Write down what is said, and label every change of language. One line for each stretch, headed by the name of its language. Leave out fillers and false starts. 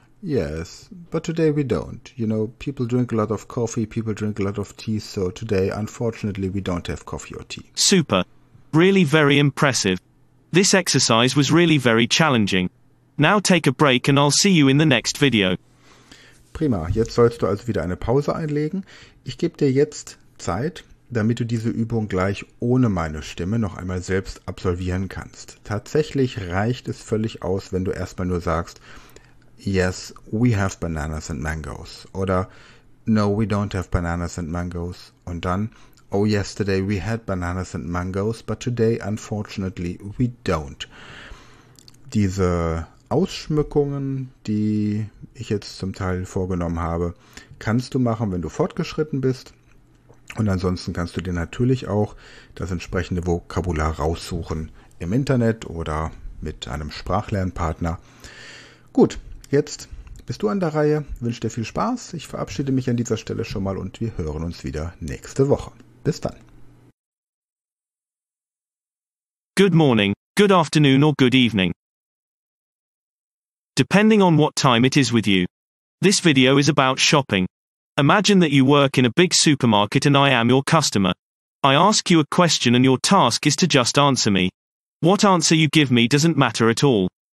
English: Yes, but today we don't. You know, people drink a lot of coffee, people drink a lot of tea, so today, unfortunately, we don't have coffee or tea. Super. Really very impressive. This exercise was really very challenging. Now take a break and I'll see you in the next video.
German: Prima, jetzt sollst du also wieder eine Pause einlegen. Ich gebe dir jetzt Zeit, damit du diese Übung gleich ohne meine Stimme noch einmal selbst absolvieren kannst. Tatsächlich reicht es völlig aus, wenn du erstmal nur sagst,
English: yes, we have bananas and mangoes.
German: Oder,
English: no, we don't have bananas and mangoes.
German: Und dann,
English: Oh, yesterday we had bananas and mangoes, but today unfortunately we don't.
German: Diese Ausschmückungen, die ich jetzt zum Teil vorgenommen habe, kannst du machen, wenn du fortgeschritten bist. Und ansonsten kannst du dir natürlich auch das entsprechende Vokabular raussuchen im Internet oder mit einem Sprachlernpartner. Gut, jetzt bist du an der Reihe. Wünsche dir viel Spaß. Ich verabschiede mich an dieser Stelle schon mal und wir hören uns wieder nächste Woche. Bis dann.
English: Good morning, good afternoon or good evening. Depending on what time it is with you. This video is about shopping. Imagine that you work in a big supermarket and I am your customer. I ask you a question and your task is to just answer me. What answer you give me doesn't matter at all.